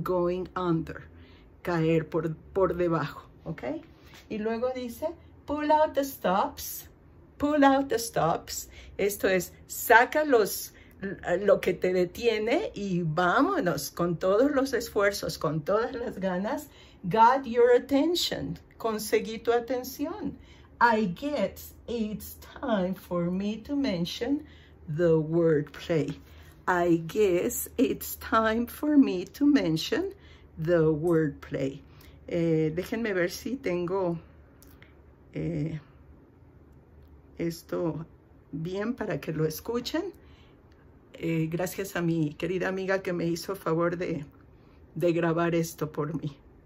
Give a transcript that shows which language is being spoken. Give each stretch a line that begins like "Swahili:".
English: Going under,
Spanish: caer por debajo, ¿ok? Y luego dice,
English: pull out the stops, pull out the stops.
Spanish: Esto es, saca lo que te detiene y vámonos con todos los esfuerzos, con todas las ganas.
English: Got your attention.
Spanish: Conseguí tu atención.
English: I guess it's time for me to mention the wordplay. I guess it's time for me to mention the wordplay.
Spanish: Déjenme ver si tengo esto bien para que lo escuchen. Gracias a mi querida amiga que me hizo favor de grabar esto por mí.